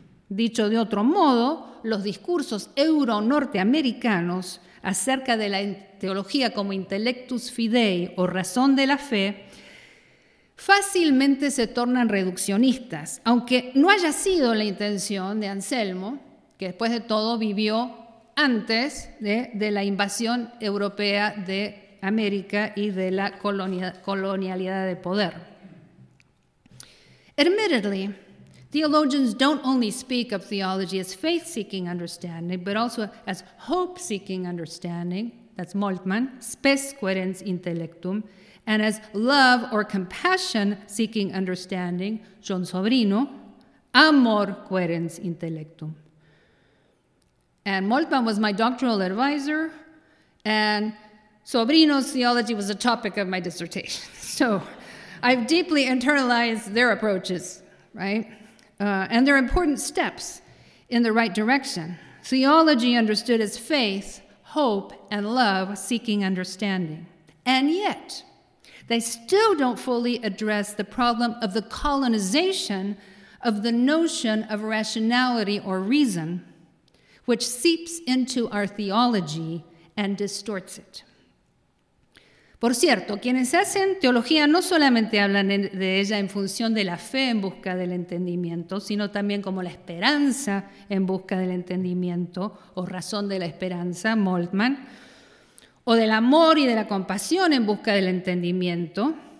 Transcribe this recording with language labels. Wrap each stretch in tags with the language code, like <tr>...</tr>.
<es>Dicho de otro modo, los discursos euro-norteamericanos acerca de la teología como intellectus fidei o razón de la fe fácilmente se tornan reduccionistas, aunque no haya sido la intención de Anselmo, que después de todo vivió antes de la invasión europea de América y de la colonialidad de poder.</es> <en>Admittedly, theologians don't only speak of theology as faith-seeking understanding, but also as hope-seeking understanding, that's Moltmann,</en> <la>spes querens intellectum,</la> <en>and as love or compassion-seeking understanding, John Sobrino,</en> <la>amor querens intellectum.</la> <en>And Moltmann was my doctoral advisor, and Sobrino's theology was a topic of my dissertation. So I've deeply internalized their approaches, right? And they're important steps in the right direction. Theology understood as faith, hope, and love seeking understanding. And yet, they still don't fully address the problem of the colonization of the notion of rationality or reason, which seeps into our theology and distorts it.</en> <es>Por cierto, quienes hacen teología no solamente hablan de ella en función de la fe en busca del entendimiento, sino también como la esperanza en busca del entendimiento, o razón de la esperanza, Moltmann, o del amor y de la compasión en busca del entendimiento,</es>